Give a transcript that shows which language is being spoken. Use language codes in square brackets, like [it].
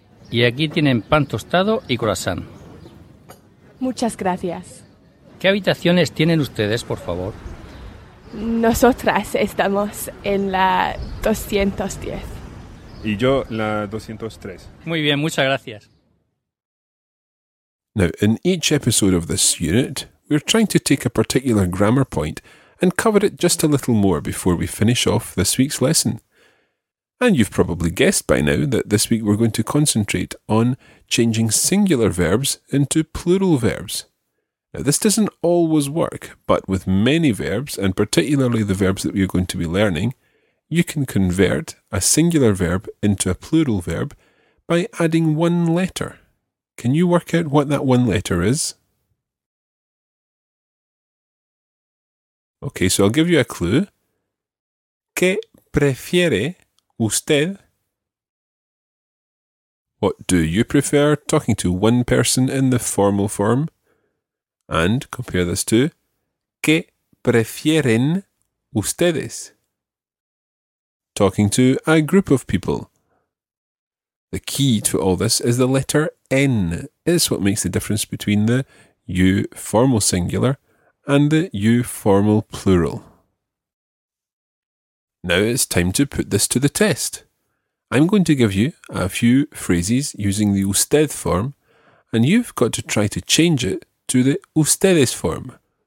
[es] Y aquí tienen pan tostado y croissant. Muchas gracias. ¿Qué habitaciones tienen ustedes, por favor? Nosotras estamos en la 210. Y yo la 203. Muy bien, muchas gracias. [en] Now, in each episode of this unit, we're trying to take a particular grammar point and cover it just a little more before we finish off this week's lesson. And you've probably guessed by now that this week we're going to concentrate on changing singular verbs into plural verbs. Now, this doesn't always work, but with many verbs, and particularly the verbs that we're going to be learning, you can convert a singular verb into a plural verb by adding one letter. Can you work out what that one letter is? Okay, so I'll give you a clue. [es] ¿Qué prefiere usted? [en] What do you prefer? Talking to one person in the formal form. And compare this to [es] ¿Qué prefieren ustedes? [en] Talking to a group of people. The key to all this is the letter N. It's what makes the difference between the U formal singular and the U formal plural. Now it's time to put this to the test. I'm going to give you a few phrases using the usted form, and you've got to try to change it to the ustedes form.